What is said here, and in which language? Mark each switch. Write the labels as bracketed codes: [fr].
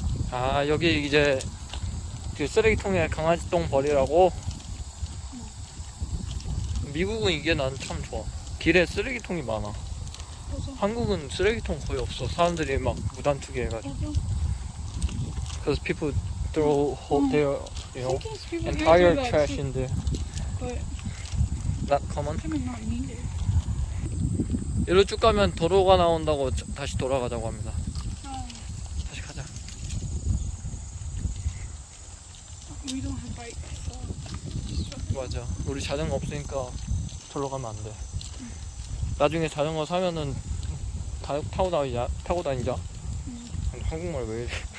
[ko] 아, 여기 이제 그 쓰레기통에 강아지 똥 버리라고. 미국은 이게 난 참 좋아. 길에 쓰레기통이 많아. 한국은 쓰레기통 거의 없어. 사람들이 막 무단투기 해가지고. [en] 'Cause people throw their, you know, entire trash in there. Not common. [ko] 이로 쭉 가면 도로가 나온다고 다시 돌아가자고 합니다. 다시 가자. [en] We don't have bikes, so. [ko] 맞아. 우리 자전거 없으니까 도로 가면 안 돼. 나중에 자전거 사면은 타고 다니자. 한국말 왜 이래.